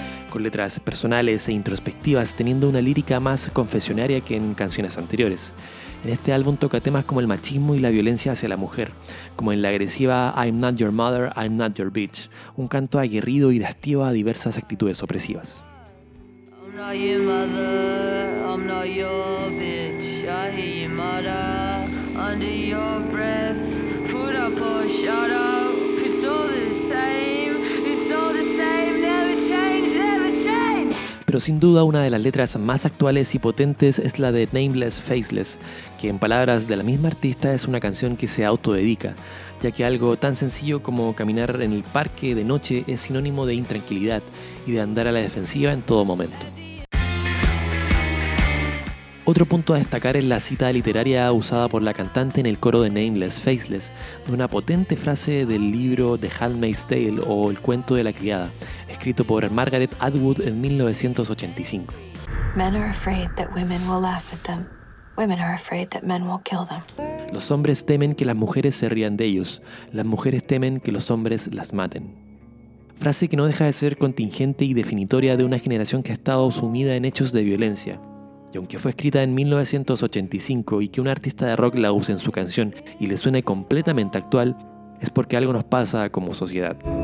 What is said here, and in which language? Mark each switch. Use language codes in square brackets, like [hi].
[es] Con letras personales e introspectivas, teniendo una lírica más confesionaria que en canciones anteriores. En este álbum toca temas como el machismo y la violencia hacia la mujer, como en la agresiva I'm Not Your Mother, I'm Not Your Bitch, un canto aguerrido y dastivo a diversas actitudes opresivas. [en] I'm not your mother, I'm not your bitch. I hear you mutter under your breath. Put up or shut up, it's all the same. It's all the same, never change, never change. [es] Pero sin duda una de las letras más actuales y potentes es la de Nameless Faceless, que en palabras de la misma artista es una canción que se autodedica, ya que algo tan sencillo como caminar en el parque de noche es sinónimo de intranquilidad y de andar a la defensiva en todo momento. Otro punto a destacar es la cita literaria usada por la cantante en el coro de Nameless Faceless, de una potente frase del libro The Handmaid's Tale o El cuento de la criada, escrito por Margaret Atwood en 1985. [en] Men are afraid that women will laugh at them. Women are afraid that men will kill them. [es] Los hombres temen que las mujeres se rían de ellos. Las mujeres temen que los hombres las maten. Frase que no deja de ser contingente y definitoria de una generación que ha estado sumida en hechos de violencia. Y aunque fue escrita en 1985 y que un artista de rock la use en su canción y le suene completamente actual, es porque algo nos pasa como sociedad.